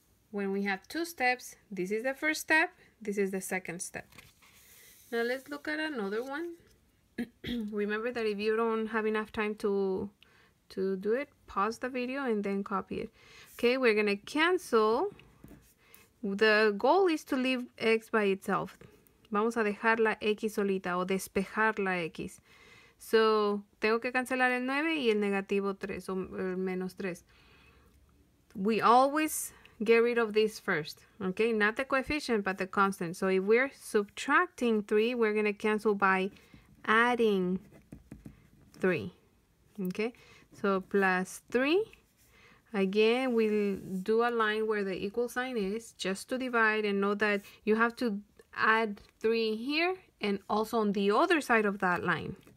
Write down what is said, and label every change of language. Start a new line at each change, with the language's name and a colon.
English: When we have two steps, this is the first step, this is the second step. Now let's look at another one. Remember that if you don't have enough time to do it, pause the video and then copy it. Okay, we're gonna cancel. The goal is to leave x by itself.
Spanish: Vamos a dejar la x solita o despejar la x. So, tengo que cancelar el 9 y el negativo 3, o el menos 3.
English: We always get rid of this first, okay? Not the coefficient, but the constant. So, if we're subtracting 3, we're going to cancel by adding 3, okay? So, plus 3. Again, we do a line where the equal sign is just to divide, and know that you have to add 3 here and also on the other side of that line.